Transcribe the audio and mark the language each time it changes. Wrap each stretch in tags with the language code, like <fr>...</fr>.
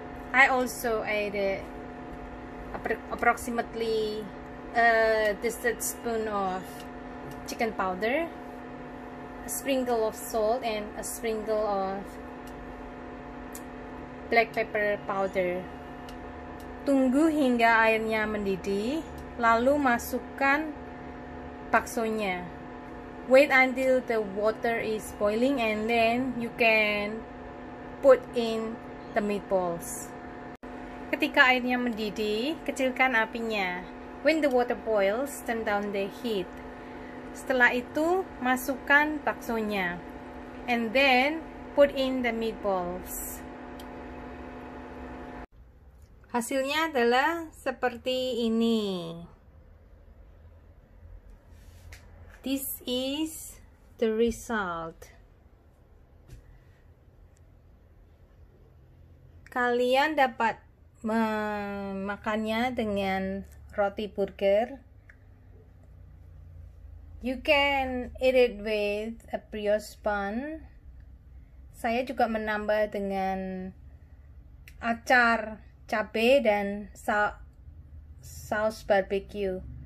<en>I also added approximately a dessert spoon of chicken powder, a sprinkle of salt, and a sprinkle of black pepper powder.</en> <id>Tunggu hingga airnya mendidih, lalu masukkan baksonya.</id> <en>Wait until the water is boiling and then you can put in the meatballs.</en> <id>Ketika airnya mendidih, kecilkan apinya.</id> <en>When the water boils, turn down the heat.</en> <id>Setelah itu, masukkan baksonya.</id> <en>And then, put in the meatballs.</en> <id>Hasilnya adalah seperti ini.</id> <en>This is the result.</en> <id>Kalian dapat memakannya dengan roti burger.</id> <en>You can eat it with a brioche bun.</en> <id>Saya juga menambah dengan acar cabe dan saus barbecue.</id>